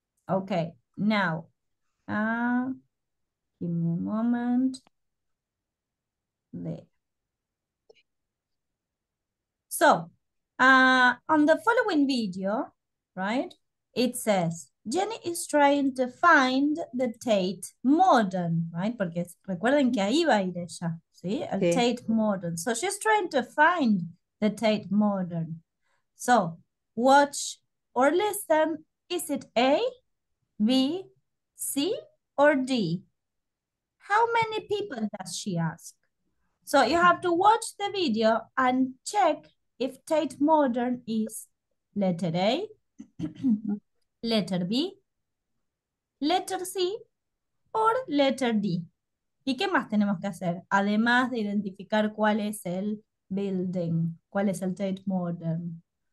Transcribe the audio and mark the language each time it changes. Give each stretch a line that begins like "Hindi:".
English: Okay. Now, give me a moment. There. So, on the following video, right, it says Jenny is trying to find the Tate Modern, right?
Spanish: Porque recuerden que ahí va a ir ella, ¿sí? El sí. Tate Modern.
English: So she's trying to find the Tate Modern. So, watch or listen. Is it A, B, C, or D? How many people does she ask? So, you have to watch the video and check if Tate Modern is letter A, letter B, letter C, or letter D.
Spanish: ¿Y qué más tenemos que hacer? Además de identificar cuál es el building, cuál es el Tate Modern.